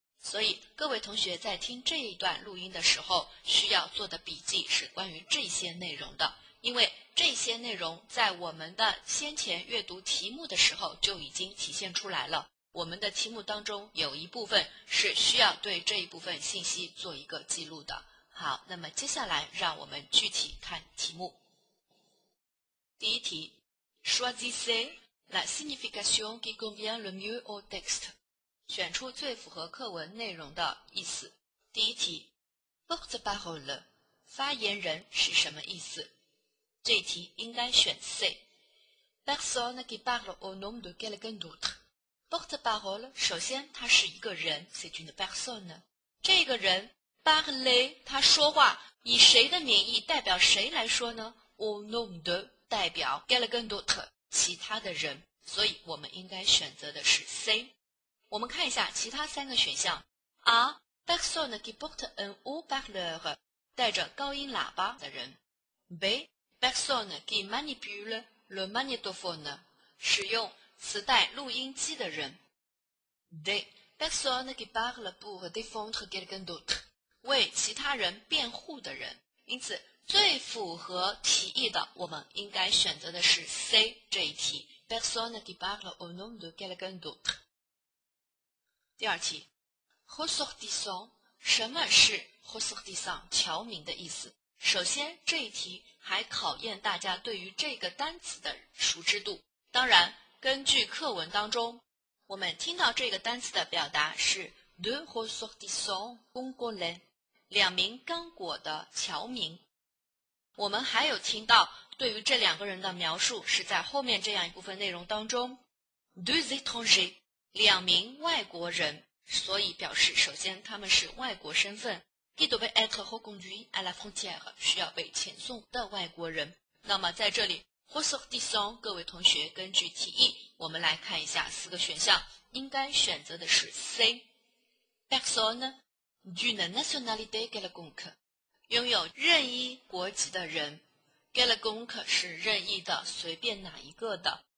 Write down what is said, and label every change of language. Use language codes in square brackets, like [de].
[zh] 所以各位同学在听这一段录音的时候，需要做的笔记是关于这些内容的，因为这些内容在我们的先前阅读题目的时候就已经体现出来了。我们的题目当中有一部分是需要对这一部分信息做一个记录的。好，那么接下来让我们具体看题目。第一题 [fr] Choisissez la signification qui convient le mieux au texte. [zh] 选出最符合课文内容的意思。第一题 Porte-parole, 发言人是什么意思？这一题应该选 C. [fr] Personne qui parle au nom de quelqu'un d'autre. Porte-parole, [zh] 首先它是一个人， [fr] c'est une personne. [zh] 这个人parler, 他说话以谁的名义代表谁来说呢？ [fr] au nom de [zh] 代表 [fr] quelqu'un d'autre, [zh] 其他的人，所以我们应该选择的是 C. 我们看一下其他三个选项。 [fr] A, personne qui porte un haut-parleur, [zh] 带着高音喇叭的人。 [fr] B, personne qui manipule le magnétophone, [zh] 使用磁带录音机的人。 [fr] D, personne qui parle pour défendre quelqu'un d'autre. [zh] 为其他人辩护的人，因此最符合题意的我们应该选择的是 C 这一题 [fr] Personne qui parle au nom de quelqu'un d'autre. [zh] 第二题 Ressortissant 什么是 Ressortissant 侨民的意思？首先这一题还考验大家对于这个单词的熟知度，当然根据课文当中我们听到这个单词的表达是 [fr] Deux ressortissants congolais, [zh] 两名刚果的侨民。我们还有听到对于这两个人的描述是在后面这样一部分内容当中。 [fr] Deux étrangers, [zh] 两名外国人，所以表示首先他们是外国身份。 [fr] Qui devaient être reconduits à la frontière, [zh] 需要被遣送的外国人。那么在这里 ,ressortissants, 各位同学根据题意我们来看一下四个选项，应该选择的是 C。 [fr] Personne d'une nationalité quelconque, [zh] 拥有任意国籍的人 [fr] ,quelconque [zh] 是任意的，随便哪一个的。